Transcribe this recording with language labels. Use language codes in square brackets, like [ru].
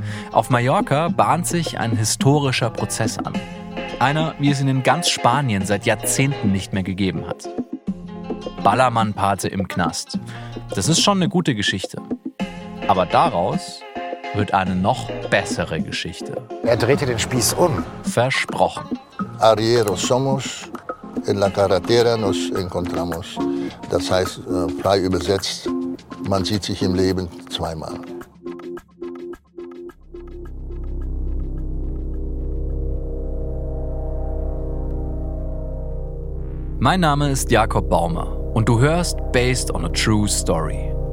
[de] Auf Mallorca bahnt sich ein historischer Prozess an. Einer, wie es ihn in ganz Spanien seit Jahrzehnten nicht mehr gegeben hat. Ballermann-Pate im Knast. Das ist schon eine gute Geschichte. Aber daraus wird eine noch bessere Geschichte. Er drehte den Spieß um. Versprochen. [es] Arrieros somos, en la carretera nos encontramos. [de] Das heißt, frei übersetzt, man sieht sich im Leben zweimal. Mein Name ist Jakob Baumer und du hörst Based on a True Story.